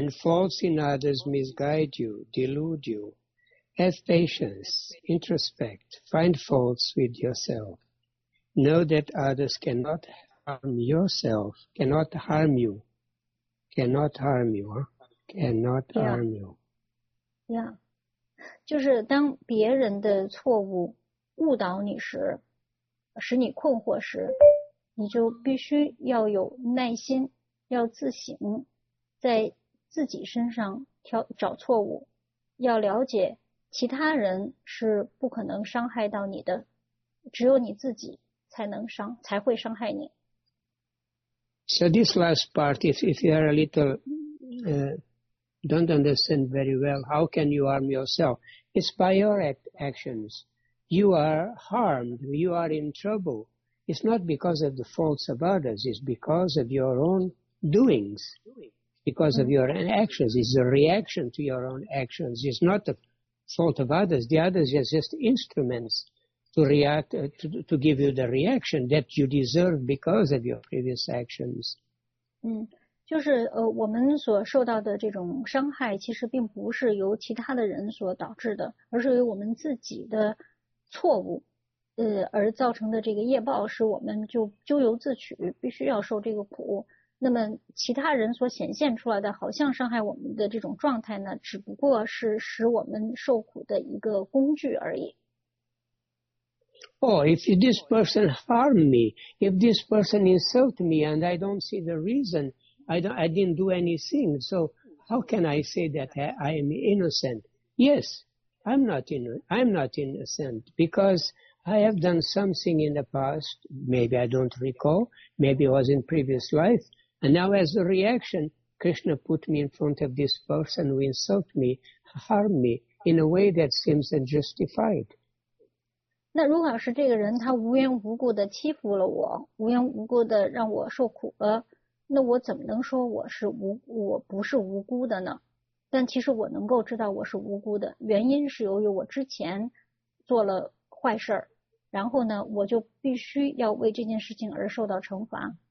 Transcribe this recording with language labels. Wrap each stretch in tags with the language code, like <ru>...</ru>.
<en>When faults in others misguide you, delude you, have patience, introspect, find faults with yourself. Know that others cannot harm yourself, cannot harm you, cannot harm you, cannot harm you. Yeah.</en> <zh>就是当别人的错误误导你时使你困惑时，你就必须要有耐心，要自省，在自己身上找错误，要了解其他人是不可能伤害到你的，只有你自己才会伤害你。</zh> <en>So this last part, if you are a little, don't understand very well, how can you harm yourself? It's by your actions. You are harmed, you are in trouble. It's not because of the faults of others, it's because of your own doings. because of your own actions. It's the reaction to your own actions. It's not the fault of others. The others are just instruments to react, to give you the reaction that you deserve because of your previous actions.</en> <zh>就是我们所受到的这种伤害其实并不是由其他的人所导致的而是由我们自己的错误而造成的这个业报是我们就咎由自取必须要受这个苦那么其他人所显现出来的好像伤害我们的这种状态呢只不过是使我们受苦的一个工具而已</zh> <en>Oh, if this person harmed me if this person insulted me and I don't see the reason I didn't do anything, so how can I say that I am innocent? Yes, I'm not innocent because I have done something in the past, maybe I don't recall, maybe it was in previous life, and now as a reaction, Krishna put me in front of this person who insulted me, harmed me in a way that seems unjustified.</en> <zh>那如果是这个人他无缘无故的欺负了我，无缘无故的让我受苦了。那我怎么能说我不是无辜的呢？但其实我能够知道我是无辜的，原因是由于我之前做了坏事儿，然后呢，我就必须要为这件事情而受到惩罚。</zh>